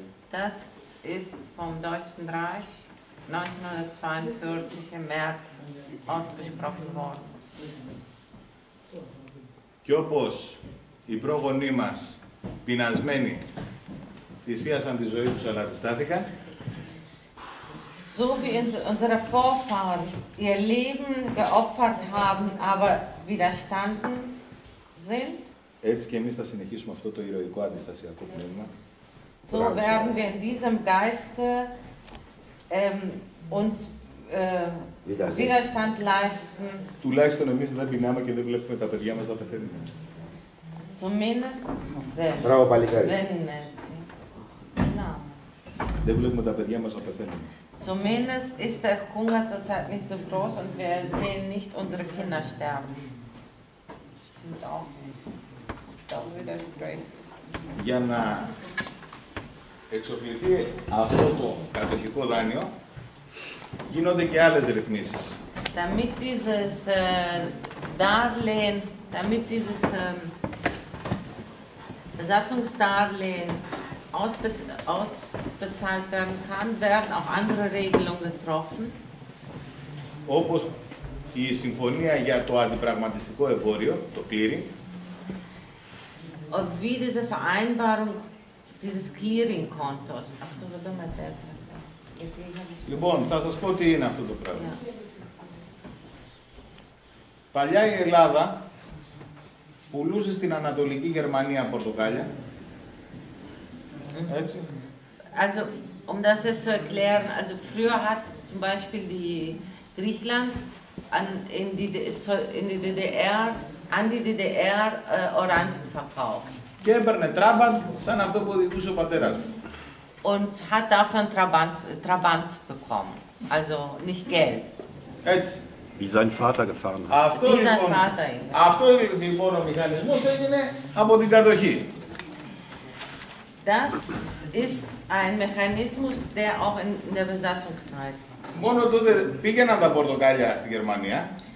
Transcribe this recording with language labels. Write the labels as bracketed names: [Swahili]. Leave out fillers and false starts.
[German] Das ist vom Deutschen Reich 1942 im März ausgesprochen worden. [Greek] Και όπως οι πρόγονοί μας πεινασμένοι θυσίασαν τη ζωή τους αλλά αντιστάθηκαν. [German] So wie unsere Vorfahren ihr Leben geopfert haben, aber widerstanden sind. [Greek] Έτσι και εμείς θα συνεχίσουμε αυτό το ηρωικό αντιστασιακό πνεύμα. [German] So werden wir in diesem Geist uns Widerstand leisten. [Greek] Τουλάχιστον εμείς δεν πεινάμε και δεν βλέπουμε τα παιδιά μας να πεθαίνουν. [German] Zumindest. [Greek] Μπράβο, παλικάρι. Δεν είναι έτσι. Δεν βλέπουμε τα παιδιά μας να πεθαίνουν. [German] Zumindest ist der Hunger zurzeit nicht so groß und wir sehen nicht unsere Kinder sterben. Stimmt auch nicht. Da wird das great. [Greek] Για να εξοφληθεί αυτό το κατοχικό δάνειο, γίνονται και άλλες ρυθμίσεις. [German] Damit dieses Darlehen, damit dieses Besatzungsdarlehen ausbezahlt werden kann, werden auch andere Regelungen getroffen. [Greek] Όπως η συμφωνία για το αντιπραγματιστικό εμπόριο, το clearing. [German] Und wie diese Vereinbarung dieses Clearing-Kontos. [Greek] Αυτό δεν το μετέφρασα. Λοιπόν, θα σας πω τι είναι αυτό το πράγμα. Yeah. Παλιά η Ελλάδα πουλούσε στην Ανατολική Γερμανία πορτοκάλια. Έτσι. [German] Also, um das jetzt zu erklären, also früher hat zum Beispiel die Griechenland in die DDR, an die DDR Orangen verkauft. [Greek] Και έπαιρνε Trabant, σαν αυτό που οδηγούσε ο πατέρας μου. [German] Und hat dafür ein Trabant bekommen, also nicht Geld. [Greek] Έτσι. [German] Wie sein Vater gefahren [Greek] hat. Αυτό, [German] wie [Greek] sein λοιπόν, Vater είναι. Αυτό λοιπόν ο μηχανισμός έγινε από την κατοχή. [German] Das ist ein Mechanismus, der auch in der Besatzungszeit. [Greek] Μόνο τότε πήγαιναν τα πορτοκάλια στη Γερμανία.